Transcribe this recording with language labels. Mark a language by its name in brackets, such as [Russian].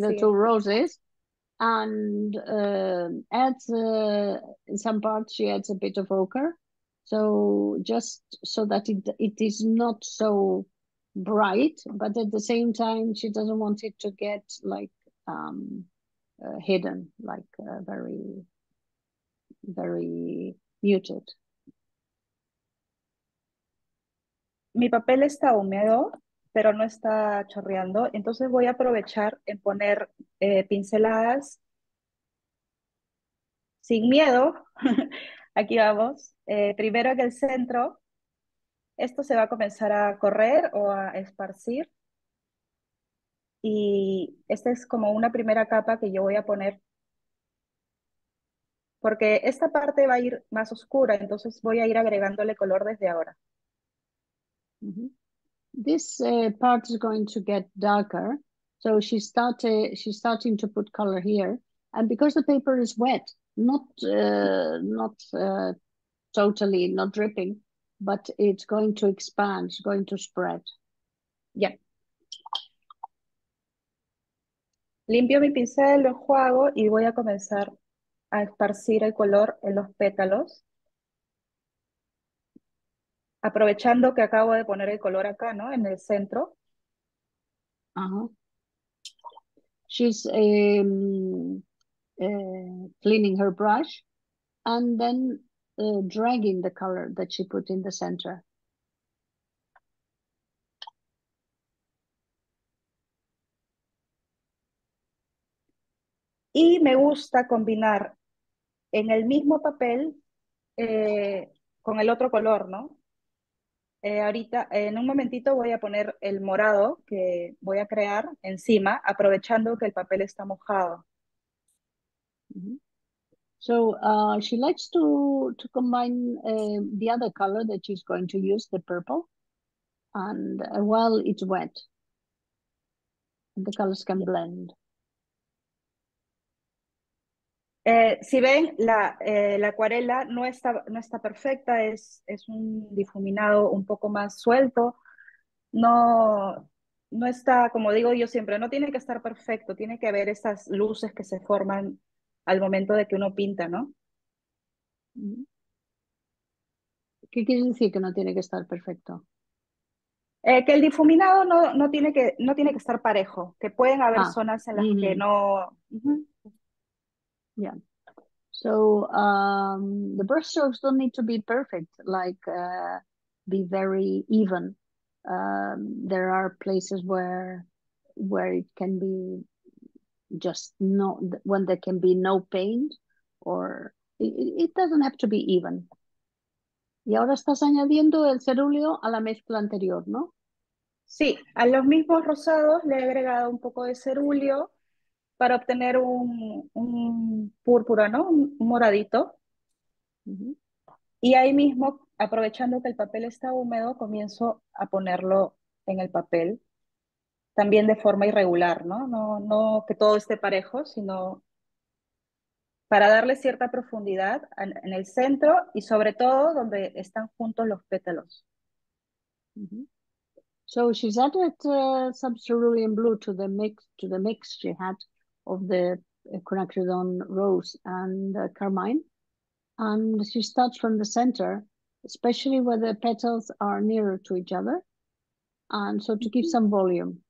[English] The two roses and adds in some parts she adds a bit of ochre, so just so that it is not so bright, but at the same time she doesn't want it to get like hidden, like very very muted. [Spanish] Mi papel está húmedo, pero no está chorreando. Entonces voy a aprovechar en poner pinceladas sin miedo. Aquí vamos. Primero en el centro. Esto se va a comenzar a correr o a esparcir. Y esta es como una primera capa que yo voy a poner. Porque esta parte va a ir más oscura, entonces voy a ir agregándole color desde ahora. [English] This part is going to get darker, so she's starting to put color here, and because the paper is wet, not dripping, but it's going to expand, it's going to spread. Yeah. [Spanish] Limpio mi pincel, lo enjuago y voy a comenzar a esparcir el color en los pétalos. Aprovechando que acabo de poner el color acá, ¿no? En el centro. [English] She's cleaning her brush and then dragging the color that she put in the center. [Spanish] Y me gusta combinar en el mismo papel con el otro color, ¿no? Ahorita, en un momentito voy a poner el morado que voy a crear encima, aprovechando que el papel está mojado. [English] So she likes to combine the other color that she's going to use, the purple, and while it's wet, the colors can blend. [Spanish] Si ven, la acuarela no está perfecta, es un difuminado un poco más suelto. No está, como digo yo siempre, no tiene que estar perfecto, tiene que haber esas luces que se forman al momento de que uno pinta, ¿no? ¿Qué quiere decir que no tiene que estar perfecto? Que el difuminado no tiene que estar parejo, que pueden haber zonas en las que no. [English] Mm-hmm. Yeah. So the brush strokes don't need to be perfect, like be very even. There are places where it can be just not, when there can be no paint, or it doesn't have to be even. [Spanish] Y ahora estás añadiendo el cerúleo a la mezcla anterior, ¿no? Sí, a los mismos rosados le he agregado un poco de cerúleo para obtener un púrpura, ¿no? Un moradito. Y ahí mismo, aprovechando que el papel está húmedo, comienzo a ponerlo en el papel. También de forma irregular, ¿no? No que todo esté parejo, sino para darle cierta profundidad en el centro y sobre todo donde están juntos los pétalos. [English] So she's added some cerulean blue to the mix she had of the quinacridone rose and carmine, and she starts from the center, especially where the petals are nearer to each other, and so to give some volume.